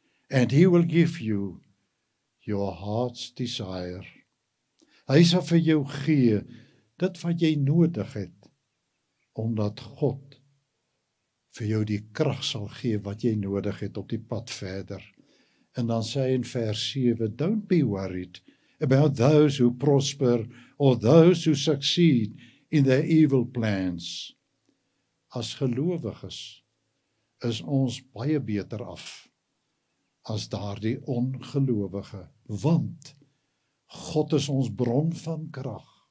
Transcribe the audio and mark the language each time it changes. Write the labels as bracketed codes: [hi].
[en] And He will give you your heart's desire. [af] Hy sal vir jou gee dit wat jy nodig het, omdat God vir jou die krag sal gee wat jy nodig het op die pad verder. En dan sê hy in vers 7, [en] don't be worried about those who prosper or those who succeed in their evil plans. [af] As gelowiges is ons baie beter af as daardie ongelowige, want God is ons bron van krag.